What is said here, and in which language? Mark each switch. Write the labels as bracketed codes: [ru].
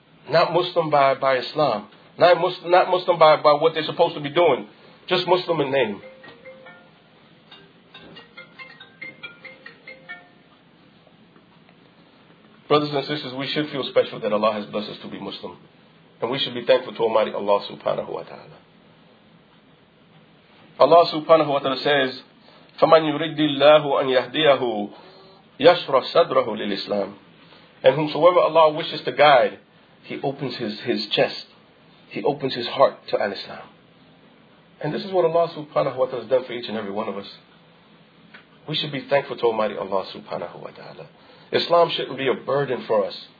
[en] Not Muslim by Islam. Not Muslim by what they're supposed to be doing. Just Muslim in name. Brothers and sisters, we should feel special that Allah has blessed us to be Muslim. And we should be thankful to Almighty Allah subhanahu wa ta'ala. Allah subhanahu wa ta'ala says, [ar] فَمَنْ يُرِدِّ اللَّهُ أَنْ يَهْدِيَهُ يَشْرَحْ صَدْرَهُ لِلْإِسْلَامِ. [en] And whomsoever Allah wishes to guide, he opens his chest. He opens his heart to Al-Islam. And this is what Allah subhanahu wa ta'ala has done for each and every one of us. We should be thankful to Almighty Allah subhanahu wa ta'ala. Islam shouldn't be a burden for us.